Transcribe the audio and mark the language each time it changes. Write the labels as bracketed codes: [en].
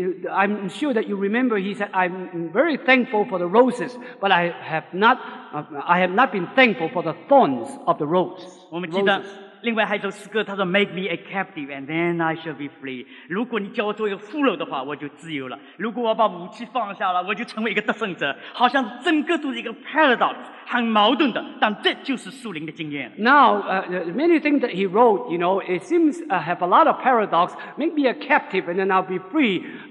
[en] I'm sure that you remember. He said, "I'm very thankful for the roses, but I have not been thankful for the thorns of the rose." [zh] 我们记得另外还有一首诗歌，他说 [en] "Make me a captive, and then I shall be free." [zh] 如果你叫我做一个俘虏的话，我就自由了。如果我把武器放下了，我就成为一个得胜者。好像整个都是一个 paradox， 很矛盾的。但这就是属灵的经验。 [en] Now, many things that he wrote, you know, it seems have a lot of paradox. Make me a captive, and then I'll be free.